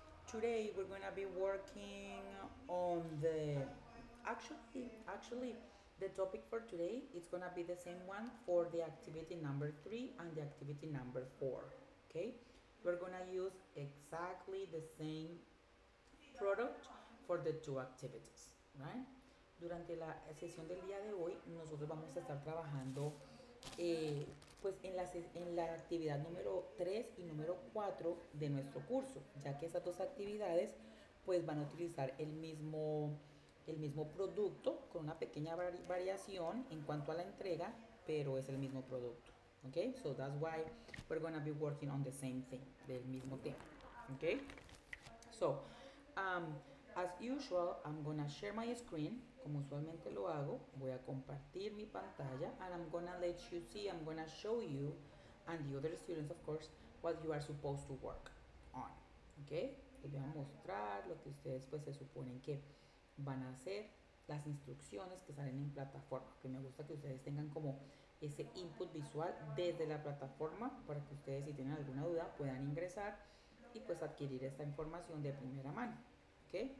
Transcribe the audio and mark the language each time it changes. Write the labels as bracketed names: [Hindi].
[English] Today, we're gonna be working on the, actually, the topic for today is gonna be the same one for the activity number 3 and the activity number 4, okay? We're gonna use exactly the same product for the two activities, right? [Spanish] Durante la sesión del día de hoy, nosotros vamos a estar trabajando pues en la actividad número 3 y número 4 de nuestro curso, ya que esas dos actividades pues van a utilizar el mismo producto con una pequeña variación en cuanto a la entrega, pero es el mismo producto, ¿ok? [English] So that's why we're going to be working on the same thing, [Spanish] del mismo tema, [English] ¿ok? So, as usual, I'm going to share my screen, [Spanish] como usualmente lo hago, voy a compartir mi pantalla, [English] and I'm going to let you see, I'm going to show you, and the other students, of course, what you are supposed to work on, ¿ok? [Spanish] Les voy a mostrar lo que ustedes, pues, se suponen que van a hacer, las instrucciones que salen en plataforma, que me gusta que ustedes tengan como ese input visual desde la plataforma para que ustedes, si tienen alguna duda, puedan ingresar y pues adquirir esta información de primera mano, ¿ok?